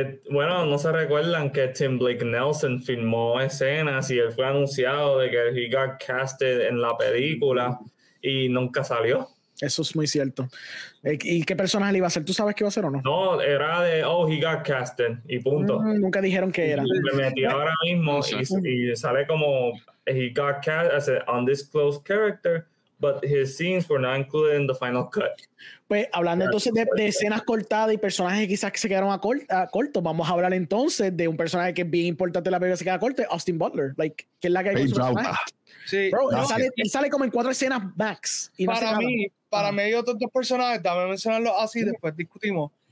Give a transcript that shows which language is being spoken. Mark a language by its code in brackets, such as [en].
[es] Bueno, no se recuerdan que Tim Blake Nelson filmó escenas y él fue anunciado de que [en] he got casted [es] en la película y nunca salió. Eso es muy cierto. ¿Y qué personaje le iba a ser? ¿Tú sabes qué iba a ser o no? No, era de, [en] oh, he got casted, [es] y punto. Nunca dijeron qué era. Y me metí ahora mismo y sale como, [en] he got cast as an undisclosed character, but his scenes were not included in the final cut. [es] Pues, hablando entonces de escenas cortadas y personajes quizás que se quedaron cortos, vamos a hablar entonces de un personaje que es bien importante en la película que se queda corto, Austin Butler, like, que es la que hay con su personaje. Sí, bro, él sale como en 4 escenas max. Y para no mí, nada. Para mí hay otros 2 personajes, dame mencionarlo así, sí. Después discutimos.